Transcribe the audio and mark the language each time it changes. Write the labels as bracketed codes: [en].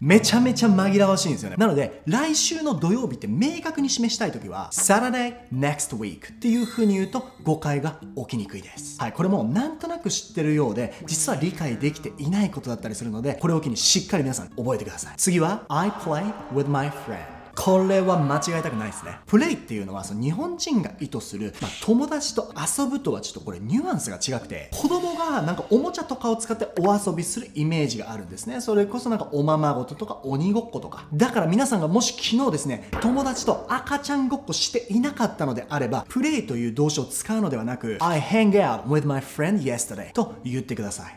[ja] めちゃめちゃ紛らわしいんですよね。なので来週の土曜日って明確に示したいときは Saturday Next Week っていう風に言うと誤解が起きにくいです。はい、これもなんとなく知ってるようで実は理解できていないことだったりするので、これを機にしっかり皆さん覚えてください。 [en] 次は I play with my friend。 [ja] これは間違えたくないですね。プレイっていうのは、その日本人が意図する、まあ、友達と遊ぶとはちょっとこれニュアンスが違くて、子供がなんかおもちゃとかを使ってお遊びするイメージがあるんですね。それこそなんかおままごととか鬼ごっことか。だから皆さんがもし昨日ですね、友達と赤ちゃんごっこしていなかったのであれば、プレイという動詞を使うのではなく、 I hang out with my friend yesterday と言ってください。